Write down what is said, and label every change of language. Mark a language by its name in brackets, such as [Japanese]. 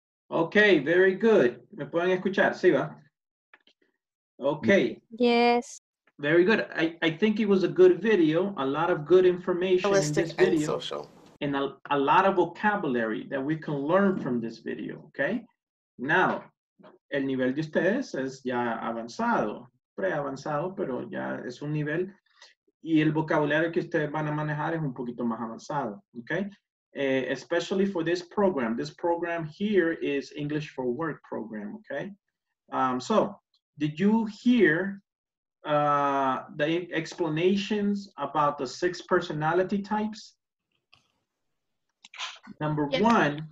[English] Okay, very good. [Spanish] ¿Me pueden escuchar? Sí, va. Okay. [English] Yes. Very good. I think it was a good video. A lot of good information holistic in this video. And social. And a lot of vocabulary that we can learn from this video, okay? [Spanish] Now, el nivel de ustedes es ya avanzado. Pre-avanzado, pero ya es un nivel. Y el vocabulario que ustedes van a manejar es un poquito más avanzado, okay? [English] Especially for this program. This program here is English for Work program, okay? So, did you hear the explanations about the six personality types? Number one.